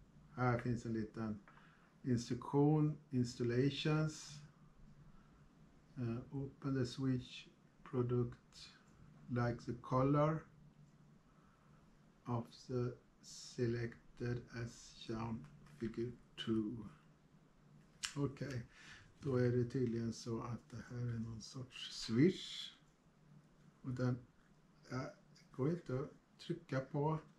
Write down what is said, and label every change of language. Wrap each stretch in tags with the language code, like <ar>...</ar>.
<sv>Här finns en liten instruktion, installations.</sv> <en>Open the switch product, like the color of the selected as shown figure 2.</en> <sv>Okej, då är det tydligen så att det här är någon sorts switch. Och den går inte att trycka på.</sv>